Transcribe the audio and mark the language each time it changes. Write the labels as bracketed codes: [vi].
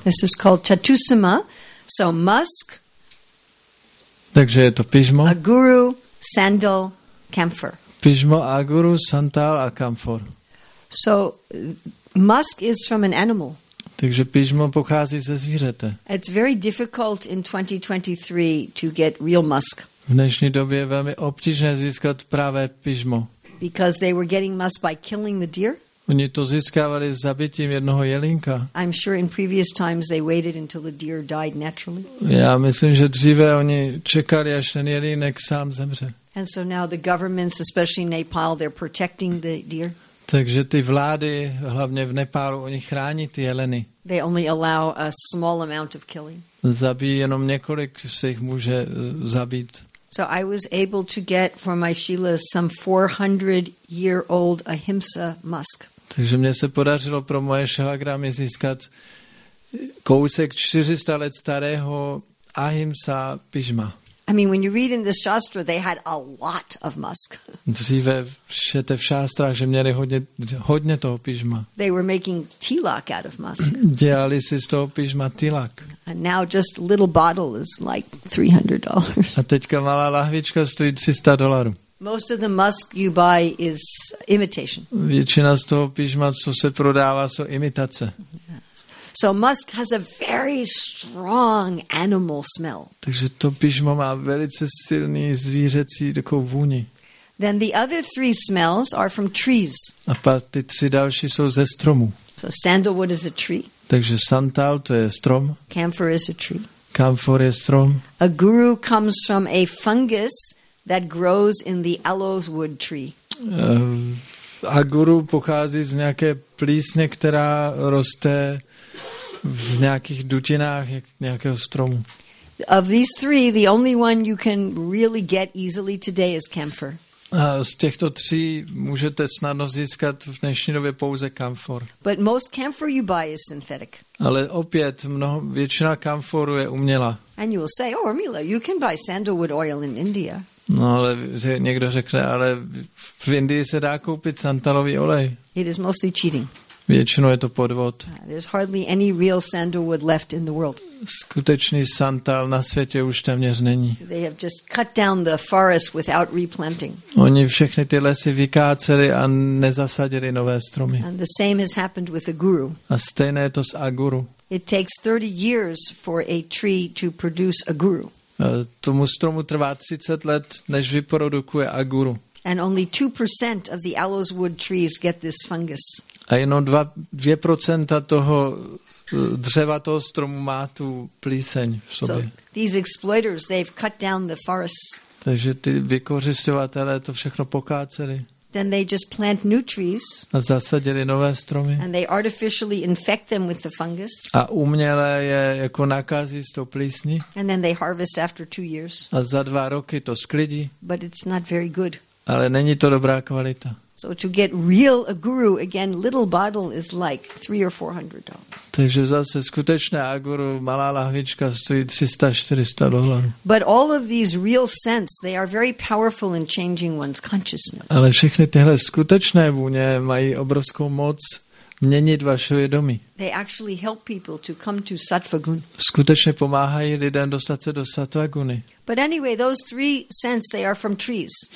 [en] This is called chatusama. So musk. [cs] Takže je to pižmo. [en] A guru, sandal, camphor. [cs] Pižmo, a guru, santal a camphor. [en] So musk is from an animal. [cs] Takže pižmo pochází ze zvířete. [en] It's very difficult in 2023 to get real musk. [cs] V dnešní době je velmi obtížné získat pravé pižmo. [en] Because they were getting musk by killing the deer. [cs] Oni to získávali zabitím jednoho jelinka. [en] I'm sure in previous times they waited until the deer died naturally. [cs] Já myslím, že dříve oni čekali, až ten jelínek sám zemře. [en] And so now the governments, especially Nepal, they're protecting the deer. [cs] Takže ty vlády, hlavně v Nepálu, oni chrání ty jeleny. [en] They only allow a small amount of killing. [cs] Zabijí jenom několik, se jich může zabít. [en] So I was able to get for my Shila some 400-year-old ahimsa musk. [cs] Takže mě se podařilo pro moje šalagramy získat kousek 400 let starého ahimsa pižma. [en] I mean, when you read in the shastra, they had a lot of musk. [cs] Dříve všete v šástrách, že měli hodně toho pižma. [en] They were making tilak out of musk. [cs] Dělali si z toho pižma tilak. [en] And now just a little bottle is like $300. [cs] A teďka malá lahvička stojí $300. [en] Most of the musk you buy is imitation. [cs] Většina z toho pižma, co se prodává, jsou imitace. [en] So musk has a very strong animal smell. [cs] Takže to pižmo má velice silný zvířecí takovou vůni. [en] Then the other three smells are from trees. [cs] A pak ty tři další jsou ze stromu. [en] So sandalwood is a tree. [cs] Takže santal to je strom. [en] Camphor is a tree. [cs] Camphor je strom. [en] A guru comes from a fungus that grows in the aloes wood tree. [cs] A guru pochází z nějaké plísně, která roste v nějakých dutinách nějakého stromu. [en] Of these three, the only one you can really get easily today is camphor. [cs] Z těchto tří můžete snadno získat v dnešní době pouze camphor. [en] But most camphor you buy is synthetic. [cs] Ale opět většina camphoru je umělá. [en] And you will say, oh, Mila, you can buy sandalwood oil in India. [cs] No, ale někdo řekne, ale v Indii se dá koupit santalový olej. [en] It is mostly cheating. [cs] Většinou je to podvod. [en] There's hardly any real sandalwood left in the world. [cs] Skutečný santal na světě už téměř není. [en] They have just cut down the forest without replanting. [cs] Oni všechny ty lesy vykáceli a nezasadili nové stromy. [en] And the same has happened with a guru. [cs] A stejné je to s aguru. [en] It takes 30 years for a tree to produce a guru. [cs] Tomu stromu trvá 30 let, než vyprodukuje aguru. [en] And only 2% of the aloes wood trees get this fungus. [cs] A jenom 2% toho dřeva toho stromu má tu plíseň v sobě. [en] So these exploiters, they've cut down the forests. [cs] Takže ty vykořisťovatelé to všechno pokáceli. [en] Then they just plant new trees. [cs] A zasadili nové stromy. [en] And they artificially infect them with the fungus. [cs] A uměle je jako nakazí s tou plísní. [en] And then they harvest after 2 years. [cs] A za 2 roky to sklidí. [en] But it's not very good. [cs] Ale není to dobrá kvalita. [en] So to get real a guru again, little bottle is like $300 or $400. [cs] Takže zase skutečné aguru malá lahvička stojí $300-$400. [en] But all of these real scents, they are very powerful in changing one's consciousness. [cs] Ale všechny tyhle skutečné vůně mají obrovskou moc měnit vaše vědomí. [en] They actually help people to come to sattvaguna. [cs] Skutečně pomáhají lidem dostat se do sattvaguny. [en] But anyway, those three scents, they are from trees.